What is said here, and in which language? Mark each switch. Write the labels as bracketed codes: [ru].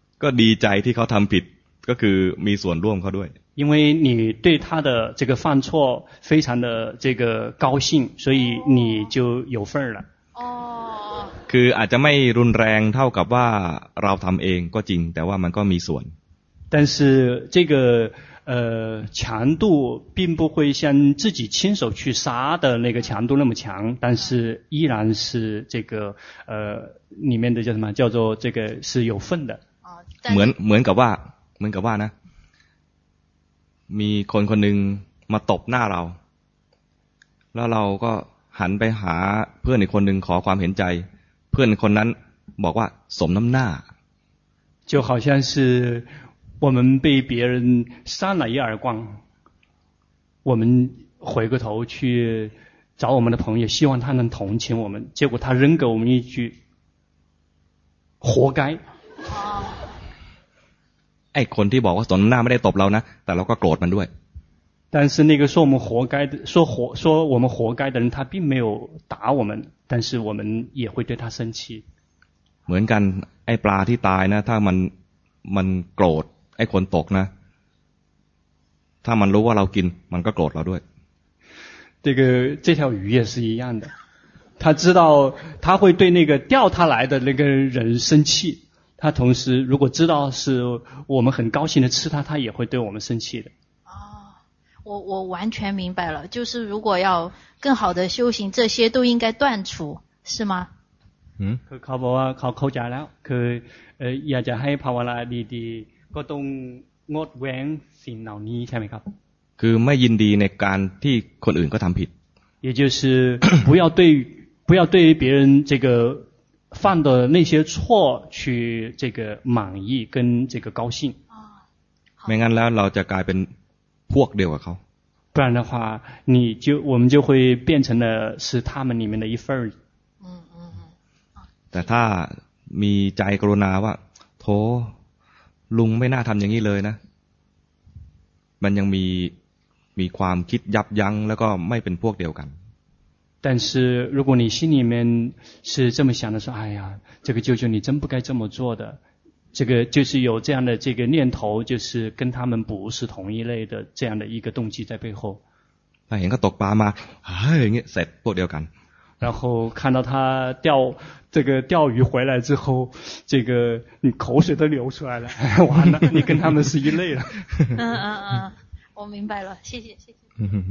[th] ก็ดีใจที่เขาทำผิดก็คือมีส่วนร่วมเขาด้วย [zh] 因为你对他的这个犯错非常的这个高兴所以你就有份了 [th] คืออาจจะไม่รุนแรงเท่ากับว่าเราทำเองก็จริงแต่ว่ามันก็มีส่วน [zh] 但是这个强度并不会像自己亲手去杀的那个强度那么强但是依然是这个里面的叫什么叫做这个是有份的 [th] เหมือนกับว่านะมีคนคนหนึ่งมาตบหน้าเราแล้วเราก็หันไปหาเพื่อนอีกคนหนึ่งขอความเห็นใจเพื่อนคนนั้นบอกว่าสมน้ำหน้า [zh] 就好像是我们被别人扇了一耳光我们回过头去找我们的朋友希望他能同情我们结果他扔给我们一句活该 [th] ไอ้คนที่บอกว่าสมน้ำหน้าไม่ได้ตบเรานะแต่เราก็โกรธมันด้วย [zh] 但是那个说我们活该的说我们活该的人他并没有打我们但是我们也会对他生气 [th] เหมือนกันไอ้ปลาที่ตายนะถ้ามันโกรธไอ้คนตกนะถ้ามันรู้ว่าเรากินมันก็โกรธเราด้วย [zh] 这条鱼也是一样的他知道他会对那个钓他来的那个人生气他同时如果知道是我们很高兴的吃他也会对我们生气的我完全明白了，就是如果要更好的修行，这些都应该断除，是吗？嗯， [th] เขาบอกว่าเขาเข้าใจแล้วคืออยากจะให้ภาวนาดีๆก็ต้องงดเว้นสิ่งเหล่านี้ใช่ไหมครับ คือไม่ยินดีในการที่คนอื่นก็ทำผิด [zh] 也就是不要对不要对别人这个犯的那些错去这个满意跟这个高兴 [th] ไม่งั้นแล้วเราจะกลายเป็นพวกเดียวกับเขา [zh] 不然的话你就我们就会变成了是他们里面的一份儿 [th] แต่ถ้ามีใจกรุณาว่าโถลุงไม่น่าทำอย่างนี้เลยนะมันยังมีความคิดยับยั้งแล้วก็ไม่เป็นพวกเดียวกัน [zh] 但是如果你心里面是这么想的说哎呀这个舅舅你真不该这么做的这个就是有这样的这个念头就是跟他们不是同一类的这样的一个动机在背后 [th] เห็นก็ตกปลามาเงี้ยเสร็จพวกเดียวกัน [zh] 然后看到他钓这个钓鱼回来之后这个你口水都流出来了完了你跟他们是一类了嗯嗯嗯我明白了谢谢谢谢